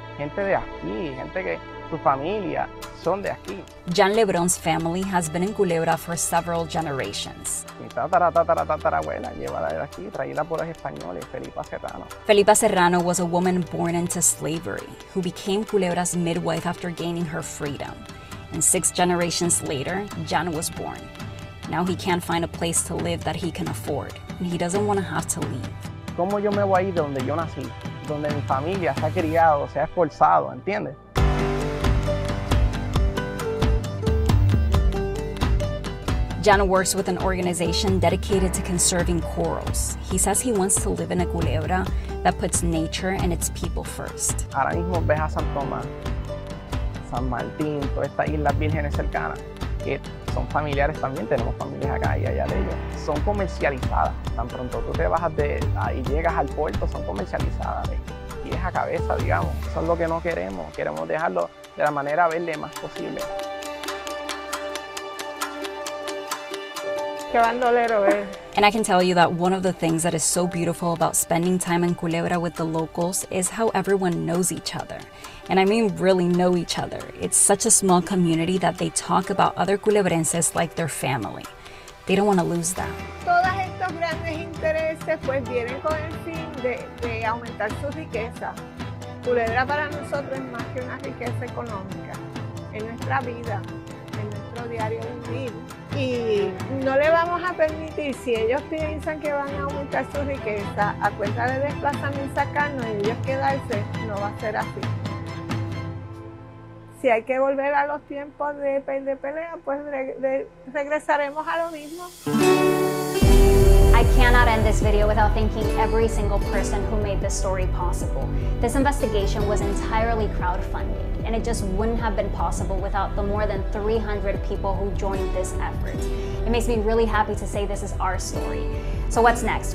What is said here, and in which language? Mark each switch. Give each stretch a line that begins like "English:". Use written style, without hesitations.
Spanish: Gente de aquí, gente que su familia son de aquí.
English: Jean Lebron's family has been in Culebra for several generations.
Spanish: Mi tataratataratatarabuela llevada de aquí, traída por los españoles, Felipa Serrano.
English: Felipa Serrano was a woman born into slavery who became Culebra's midwife after gaining her freedom. And 6 generations later, Jean was born. Now he can't find a place to live that he can afford, and he doesn't want to have to leave.
Spanish: ¿Cómo yo me voy de donde yo nací, donde mi familia se ha criado, se ha esforzado, entiendes?
English: Jan works with an organization dedicated to conserving corals. He says he wants to live in a Culebra that puts nature and its people first.
Spanish: Ahora mismo ves a San Tomás, San Martín, todas estas islas vírgenes cercanas. Que son familiares también, tenemos familias acá y allá de ellos. Son comercializadas. Tan pronto tú te bajas de ahí, llegas al puerto, son comercializadas. Pies a cabeza, digamos. Eso es lo que no queremos. Queremos dejarlo de la manera verde más posible. Qué bandolero, eh.
English: And I can tell you that one of the things that is so beautiful about spending time in Culebra with the locals is how everyone knows each other. And I mean really know each other. It's such a small community that they talk about other culebrenses like their family. They don't want to lose that.
Spanish: Todas estos grandes intereses pues vienen con el fin de aumentar su riqueza. Culebra para nosotros es más que una riqueza económica. Es nuestra vida, en nuestro diario vivir. Y no le vamos a permitir, si ellos piensan que van a aumentar su riqueza a cuenta de desplazarnos y sacarnos y ellos quedarse, no va a ser así. Si hay que volver a los tiempos de pelea, pues regresaremos a lo mismo.
English: I cannot end this video without thanking every single person who made this story possible. This investigation was entirely crowdfunded, and it just wouldn't have been possible without the more than 300 people who joined this effort. It makes me really happy to say this is our story. So what's next?